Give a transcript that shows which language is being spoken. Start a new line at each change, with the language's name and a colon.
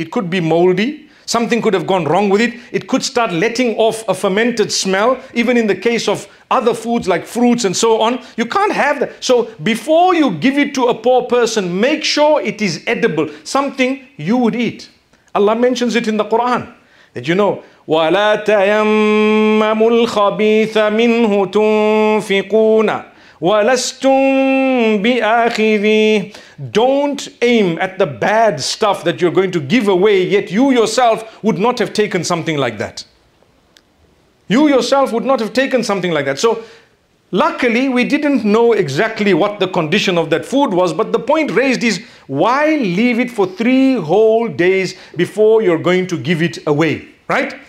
English: It could be moldy. Something could have gone wrong with it. It could start letting off a fermented smell. Even in the case of other foods like fruits and so on. You can't have that. So before you give it to a poor person, make sure it is edible. Something you would eat. Allah mentions it in the Quran. That you know,
Arabic: وَلَا تَيَمَّمُ الْخَبِيثَ مِنْهُ تُنْفِقُونَ وَلَسْتُمْ بِآخِذِهِ.
English: Don't aim at the bad stuff that you're going to give away, yet you yourself would not have taken something like that. You yourself would not have taken something like that. So luckily we didn't know exactly what the condition of that food was, but the point raised is, why leave it for 3 whole days before you're going to give it away, right?